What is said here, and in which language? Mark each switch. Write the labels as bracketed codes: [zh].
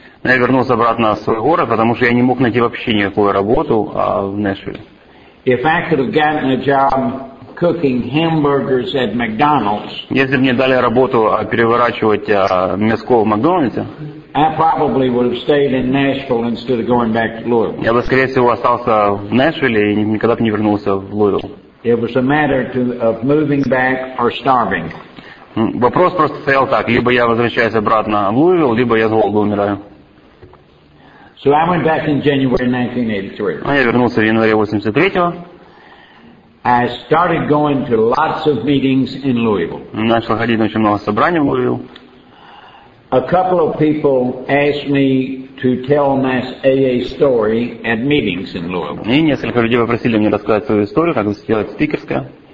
[ru] Я вернулся обратно в свой город, потому что я не мог найти вообще никакую работу в Нэшвилле. [en] If I could have gotten a job cooking hamburgers at McDonald's, [ru] если бы мне дали работу переворачивать мяско в Макдональдсе, [en] I probably would have stayed in Nashville instead of going back to Louisville. [ru] Я бы, скорее всего, остался в Нэшвилле и никогда бы не вернулся в Луивилл. [en] It was a matter of moving back or starving. [ru] Вопрос просто стоял так: либо я возвращаюсь обратно в Луивилл, либо я с голоду умираю. [en] So I went back in January 1983. [ru] Я вернулся в январе 83-го. [en] I started going to lots of meetings in Louisville. [ru] Начал ходить на очень много собраний в Луивилле. [en] A couple of people asked me to tell my AA story at meetings in Louisville. [ru] И несколько людей попросили меня рассказать свою историю, как сделать спикерское.